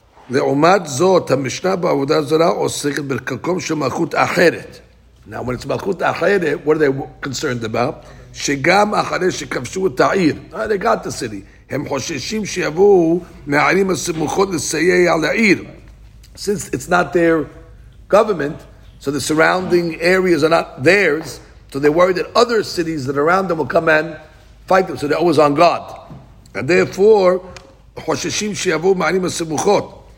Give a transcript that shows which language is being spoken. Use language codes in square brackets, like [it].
[he] לעומת זאת, המשנה בעבודה זרה עוסקת בקקום של מלכות אחרת. [en] Now, when it's [he] מלכות אחרת, [en] what are they concerned about? [he] שגם אחרי שכבשו את העיר, [en] they got the city, [he] הם חוששים שיבואו מהערים הסמוכות לסייע על העיר. [en] Since it's not their government, so the surrounding areas are not theirs, so they're worried that other cities that are around them will come and fight them, so they're always on guard. And therefore, [he] חוששים שיבואו מהערים הסמוכות.